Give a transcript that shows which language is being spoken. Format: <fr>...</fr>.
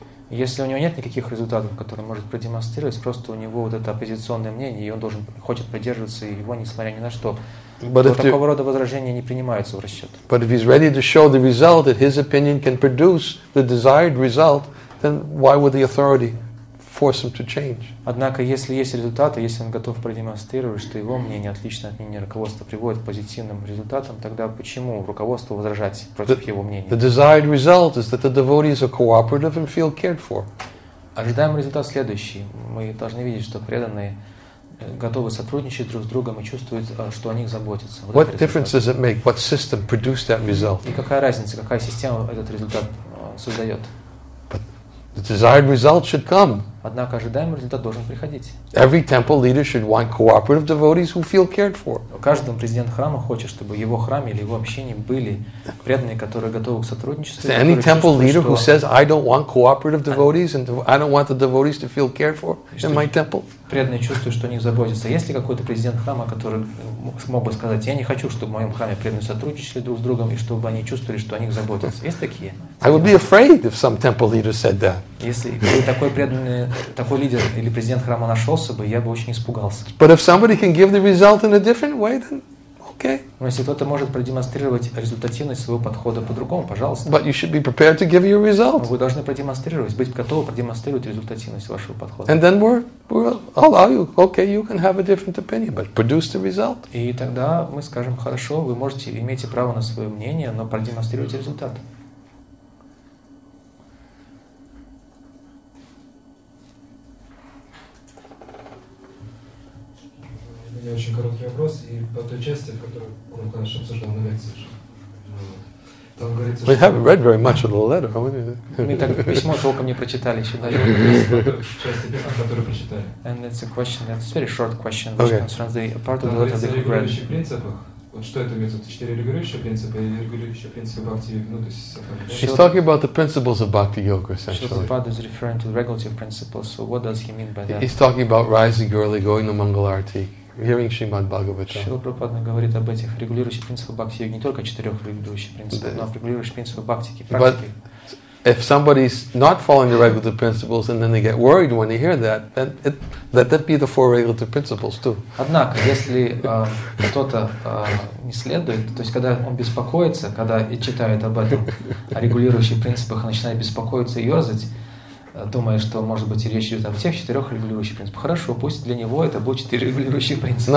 <ru>Если у него нет никаких результатов, которые он может продемонстрировать, просто у него вот это оппозиционное мнение, и он должен хочет придерживаться его, несмотря ни на что,</ru> <en>but</en> <ru>то такого рода возражения не принимаются в расчет.</ru> <en>But if he's ready to show the result that his opinion can produce the desired result, then why would the authority force him to change?</en> <ru>Однако, если есть результаты, если он готов продемонстрировать, что его мнение отлично от мнения руководства приводит к позитивным результатам, тогда почему руководству возражать против его мнения?</ru> <en>The desired result is that the devotees are cooperative and feel cared for.</en> <ru>Ожидаемый результат следующий. Мы должны видеть, что преданные готовы сотрудничать друг с другом и чувствуют, что о них заботятся. Вот</ru> <en>what difference does it make? What system produced that result?</en> <ru>И какая разница, какая система этот результат создает?</ru> <en>The desired result should come.</en> <ru>Однако ожидаемый результат должен приходить.</ru> <en>Every temple leader should want cooperative devotees who feel cared for.</en> <ru>Каждый президент храма хочет, чтобы его храм или его общение были преданные, которые готовы к сотрудничеству.</ru> <en>Is there any temple leader who says I don't want cooperative devotees and I don't want the devotees to feel cared for in my temple?</en> <ru>Преданные чувствуют, что о них заботятся. Есть ли какой-то президент храма, который мог бы сказать, я не хочу, чтобы в моем храме преданные сотрудничали друг с другом и чтобы они чувствовали, что о них заботятся? Есть такие?</ru> <en>I would be afraid if some temple leader said that.</en> <ru>Если такой преданный, такой лидер или президент храма нашелся бы, я бы очень испугался.</ru> <en>But if somebody can give the result in a different way, then okay.</en> <ru>Но если кто-то может продемонстрировать результативность своего подхода по-другому, пожалуйста.</ru> <en>But you should be prepared to give your result.</en> <ru>Вы должны продемонстрировать, быть готовы продемонстрировать результативность вашего подхода.</ru> <en>And then we'll allow you. Okay, you can have a different opinion, but produce the result.</en> <ru>И тогда мы скажем, хорошо, вы можете, имеете право на свое мнение, но продемонстрируйте результат. У меня очень короткий вопрос, и по той части, которую он, конечно, обсуждал на лекции, там говорится, что...</ru> <en>We haven't read very much of the letter, have we?</en> <ru>Мы так письмо толком не прочитали еще, да? Часть письма, которую прочитали.</ru> <en>And it's a question, that's a very short question, which okay. Concerns the part of the letter that we've read.</en> <ru>Вот что это имеется в виду? Четыре регулирующие принципы и регулирующие принципы бхакти-йоги, ну, то есть...</ru> <en>She's talking about the principles of bhakti-yoga, essentially. Shri Prabhupada is referring to the regulative principles, so what does he mean by that? He's talking about rising early, going to Mangalarti. Hearing Shrimad Bhagavatam.</en> <ru>Шрила Прабхупада говорит об этих регулирующих принципах бхакти-йоги, не только четырех регулирующих принципах, но и регулирующих принципах бхактики, практики.</ru> <en>But if somebody's not following the regulative principles and then they get worried when they hear that, then let that be the four regulative principles too.</en> <ru>Однако, если кто-то не следует, то есть когда он беспокоится, когда и читает об этом, о регулирующих принципах, и начинает беспокоиться и ерзать, думая, что, может быть, речь идет о тех четырех регулирующих принципах. Хорошо, пусть для него это будет четыре регулирующих принципа.</ru>